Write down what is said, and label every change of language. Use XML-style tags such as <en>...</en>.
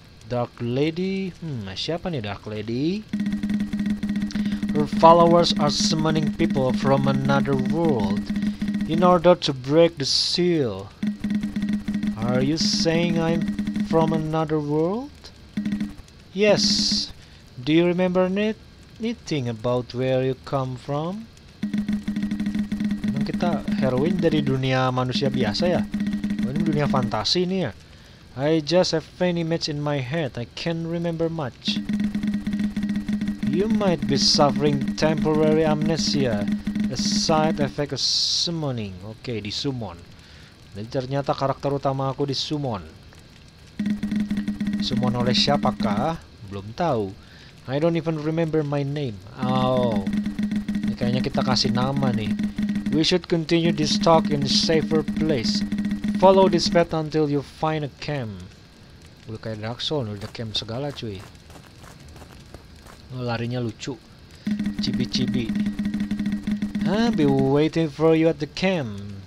<en>Dark Lady,</en> <id>siapa nih Dark Lady?</id> <en>Her followers are summoning people from another world in order to break the seal. Are you saying I'm from another world? Yes. Do you remember anything about where you come from?</en> <id>Heroin dari dunia manusia biasa ya? Ini dunia fantasi ini ya?</id> <en>I just have faint image in my head. I can't remember much. You might be suffering temporary amnesia, a side effect of summoning. Okay,</en> <id>di summon. Jadi ternyata karakter utama aku di summon. Summon oleh siapakah? Belum tahu.</id> <en>I don't even remember my name.</en> <id>Oh, ini kayaknya kita kasih nama nih.</id> <en>We should continue this talk in a safer place. Follow this path until you find a camp.</en> <id>Udah kayak Dark Souls, udah camp segala cuy. larinya lucu. Cibi-cibi.</id> <en>Huh, be waiting for you at the camp.</en>